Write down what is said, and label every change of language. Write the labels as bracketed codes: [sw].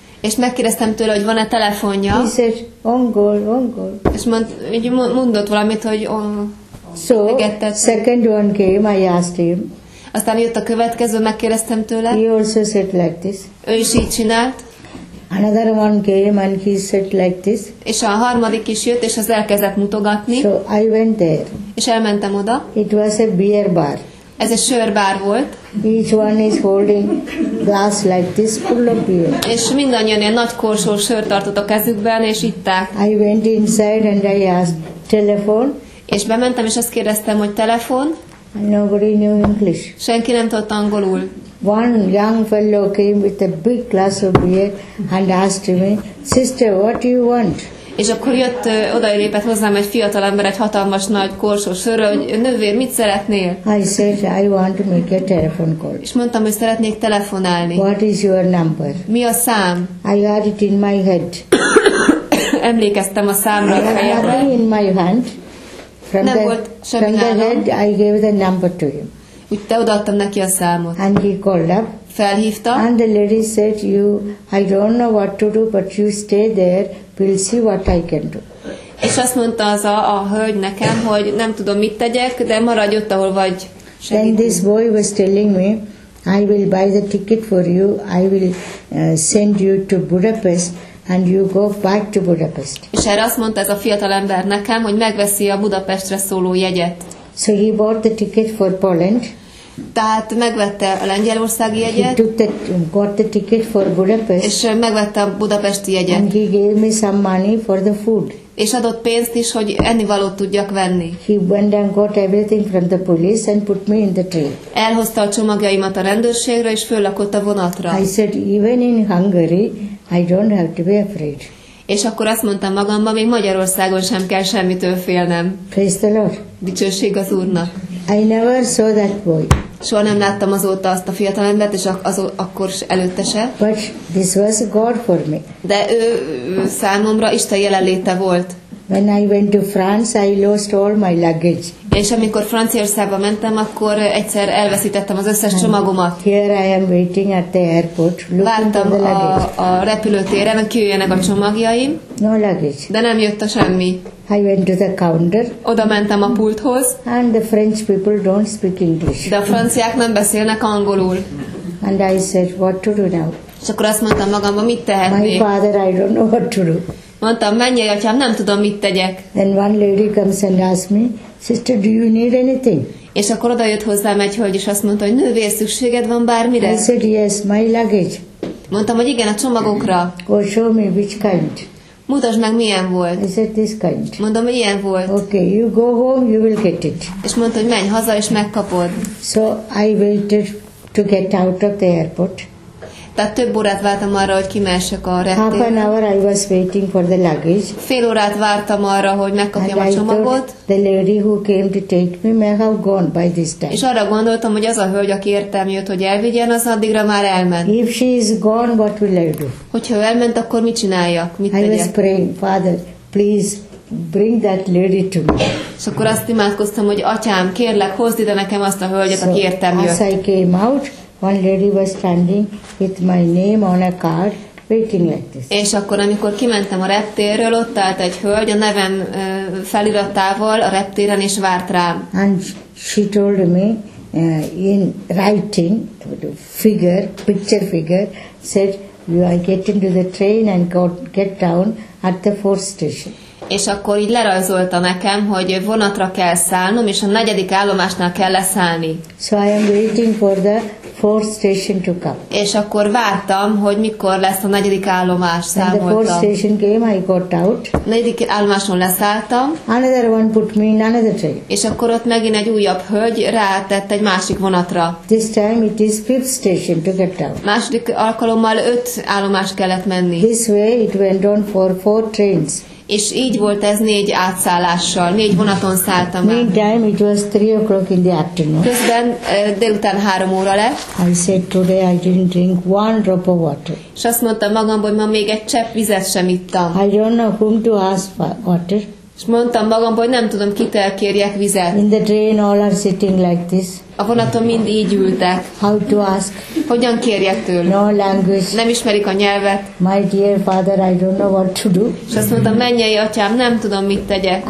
[hu] És megkérdeztem tőle, hogy van-e telefonja. [en] He said, ongol. [hu] És mondott valamit, hogy so, egettet. [en] Second one came, I asked him. [hu] Aztán jött a következő, megkérdeztem tőle. [en] He also said like this. [hu] Ő is így csinált. [en] Another one came and he said like this. [hu] És a harmadik is jött, és az elkezdett mutogatni. [en] So I went there. [hu] És elmentem oda. [en] It was a beer bar. [hu] Ez egy sörbár volt. [en] Each one is holding glass like this full of beer. [hu] És mindannyian ilyen nagy korsó sört tartott a kezükben, és itták. [en] I went inside and I asked telephone. [hu] És bementem, és azt kérdeztem, hogy telefon. [en] Nobody knew English. [hu] Senki nem tudott angolul. [en] One young fellow came with a big glass of beer and asked me, "Sister, what do you want?" [hu] És akkor jött odaérépett hozzám egy fiatal ember egy hatalmas nagy korsó sörrel, hogy nővér, mit szeretnél? [en] I said I want to make a telephone call. [hu] És mondtam, hogy szeretnék telefonálni. [en] What is your number? [hu] Mi a szám? [en] I had it in my head. [hu] Emlékeztem a számra. [en] I had it in my hand. From nem the, volt [hu] semmi nálam. [en] From the head I gave the number to him. [hu] Úgy te odaadtam neki a számot. [en] And he called up. [hu] Felhívta. [en] And the lady said, "You, I don't know what to do, but you stay there. We'll see what I can do." [hu] És azt mondta az a hölgy nekem, hogy nem tudom mit tegyek, de maradj ott, ahol vagy. [en] Then this boy was telling me, "I will buy the ticket for you. I will send you to Budapest, and you go back to Budapest." [hu] És erre azt mondta ez a fiatal ember nekem, hogy megveszi a Budapestre szóló jegyet. [en] So he bought the ticket for Poland. [hu] Tehát megvette a lengyelországi jegyet. [en] He took the, got the ticket for Budapest. [hu] És megvette a budapesti jegyet. [en] And he gave me some money for the food. [hu] És adott pénzt is, hogy ennivalót tudjak venni. [en] He went and got everything from the police and put me in the train. [hu] Elhozta a csomagjaimat a rendőrségre és föllakott a vonatra. [en] I said, even in Hungary, I don't have to be afraid. [hu] És akkor azt mondtam magamban, még Magyarországon sem kell semmitől félnem. [en] Praise the Lord. [hu] Dicsőség az Úrnak. [en] I never saw that boy. [hu] Soha nem láttam azóta azt a fiatalembert, és akkor előtte se. [en] But this was God for me. [hu] De ő számomra Isten jelenléte volt. [en] When I went to France, I lost all my luggage. [hu] És amikor Franciaországba mentem, akkor egyszer elveszítettem az összes csomagomat. [en] Here I am waiting at the airport, looking for the luggage. [hu] Vártam a repülőtéren, hogy kijöjjenek a csomagjaim. [en] No luggage. [hu] De nem jött a semmi. [en] I went to the counter. [hu] Oda mentem a pulthoz. [en] And the French people don't speak English. [hu] De a franciák nem beszélnek angolul. [en] And I said, what to do now? [hu] És akkor azt mondtam magamban, mit tehetnék? [en] My father, I don't know what to do. [hu] Mondtam, mennyi, atyám, nem tudom, mit tegyek. [en] Then one lady comes and asks me, "Sister, do you need anything?" [hu] És akkor oda jött hozzám egy hölgy, és azt mondta, hogy nővér, szükséged van bármire? [en] I said, yes, my luggage. [hu] Mondtam, hogy igen, a csomagokra. [en] Oh, show me which kind. [hu] Mutasd meg, milyen volt. [en] I said, this kind. [hu] Mondom, hogy ilyen volt. [en] Okay, you go home, you will get it. [hu] És mondta, hogy menj haza, és megkapod. [en] So I waited to get out of the airport. [hu] Tehát több órát vártam arra, hogy kimehessek a reptérre. [en] Half an hour I was waiting for the luggage. [hu] Fél órát vártam arra, hogy megkapjam [en] and [hu] a csomagot. [en] The lady who came to take me may have gone by this time. [hu] És arra gondoltam, hogy az a hölgy, aki értem jött, hogy elvigyen, az addigra már elment. [en] If she is gone, what will I do? [hu] Hogyha elment, akkor mit csináljak? Mit tegyek? [en] I was praying, "Father, please bring that lady to me." [hu] És akkor azt imádkoztam, hogy atyám, kérlek, hozd ide nekem azt a hölgyet, [en] so, [hu] aki értem jött. [en] As I came out, one lady was standing with my name on a card, waiting like this. [hu] És akkor, amikor kimentem a reptérről, ott állt egy hölgy a nevem felirattával a reptéren, és várt rám. [en] And she told me, in writing, figure, picture figure, said, "You are getting to the train and get down at the fourth station." [hu] És akkor így lerajzolta nekem, hogy vonatra kell szállnom, és a negyedik állomásnál kell leszállni. [en] So I am waiting for the fourth station to come. [hu] És akkor vártam, hogy mikor lesz a negyedik állomás, számoltam. [en] And the fourth station came, I got out. [hu] Negyedik állomáson leszálltam. [en] Another one put me in another train. [hu] És akkor ott megint egy újabb hölgy rátett egy másik vonatra. [en] This time it is fifth station to get out. [hu] Második alkalommal öt állomás kellett menni. [en] This way it went on for four trains. [hu] És így volt ez négy átszállással, négy vonaton szálltam el. [en] Meantime, it was 3 o'clock in the afternoon. [hu] Közben délután 3 óra lett. [en] I said, "Today I didn't drink one drop of water." [hu] És azt mondtam magamban, hogy ma még egy csepp vizet sem ittam. [en] I don't know whom to ask for water. [hu] És mondtam magamban, hogy nem tudom, kit elkérjek vizet. [en] In the train, all are sitting like this. [hu] A vonaton mind így ültek. [en] How to ask? [hu] Hogyan kérjek tőlük? [en] No language. [hu] Nem ismerik a nyelvet. [en] My dear father, I don't know what to do. [hu] És azt mondta, mennyei atyám, nem tudom, mit tegyek.